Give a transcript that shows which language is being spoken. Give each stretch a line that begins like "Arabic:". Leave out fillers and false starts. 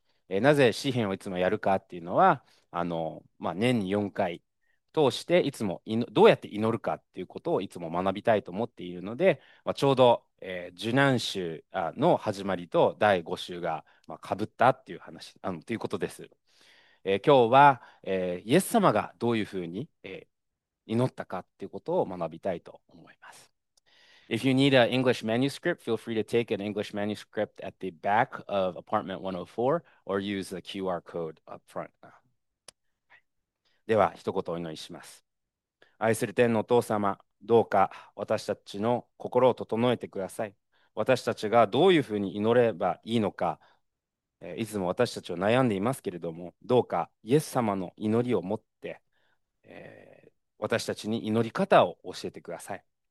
Japanese: なぜ詩編をいつもやるかっていうのは、年に4回通していつもどうやって祈るかっていうことをいつも学びたいと思っているので、ちょうど、受難週の始まりと第5週が、かぶったっていう話ということです。今日は、イエス様がどういうふうに、祈ったかっていうことを学びたいと思います。
English: If you need an English manuscript, feel free to take an English manuscript at the back of apartment 104 or use the QR code up front.
Japanese: では一言お祈りします。愛する天のお父様、どうか私たちの心を整えてください。私たちがどういうふうに祈ればいいのか、いつも私たちは悩んでいますけれども、どうかイエス様の祈りを持って、私たちに祈り方を教えてください。